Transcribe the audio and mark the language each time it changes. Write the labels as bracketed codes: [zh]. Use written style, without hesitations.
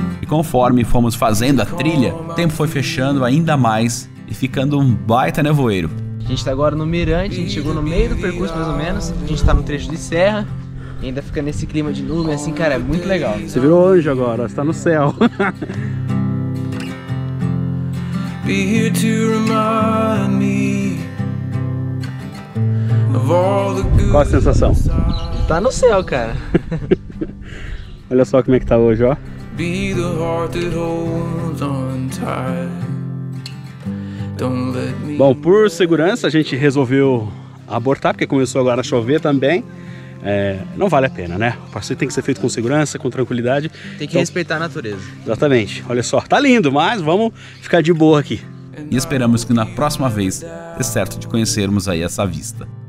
[pt] E conforme fomos fazendo a trilha, o tempo foi fechando ainda mais e ficando um baita nevoeiro. A gente tá agora no mirante, a gente chegou no meio do percurso mais ou menos, a gente tá no trecho de serra, e ainda fica nesse clima de nuvem, assim, cara, é muito legal. Você virou anjo agora, você tá no céu. [en] Be here to remind me of all the good. [pt] Qual a sensação? Tá no céu, cara. Olha só como é que tá hoje, ó. [en] Be the heart that holds on tight. Don't let me... [pt] Bom, por segurança, a gente resolveu abortar, porque começou agora a chover também. É, não vale a pena, né? O passeio tem que ser feito com segurança, com tranquilidade. Tem que respeitar a natureza. Exatamente. Olha só, tá lindo, mas vamos ficar de boa aqui. E esperamos que na próxima vez dê certo de conhecermos aí essa vista.